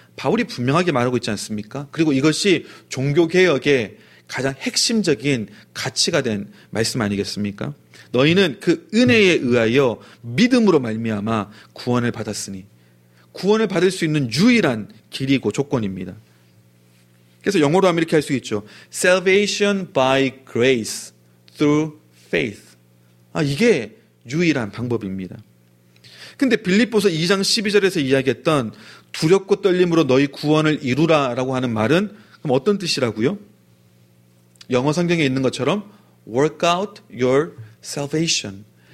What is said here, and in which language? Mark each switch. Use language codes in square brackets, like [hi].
[ko] 바울이 분명하게 말하고 있지 않습니까? 그리고 이것이 종교개혁의 가장 핵심적인 가치가 된 말씀 아니겠습니까? 너희는 그 은혜에 의하여 믿음으로 말미암아 구원을 받았으니, 구원을 받을 수 있는 유일한 길이고 조건입니다. 그래서 영어로 하면 이렇게 할 수 있죠. [en] Salvation by grace through faith. [ko] 아, 이게 유일한 방법입니다. 근데 빌립보서 2장 12절에서 이야기했던 두렵고 떨림으로 너희 구원을 이루라라고 하는 말은 그럼 어떤 뜻이라고요? 영어 성경에 있는 것처럼 [en] work out your salvation.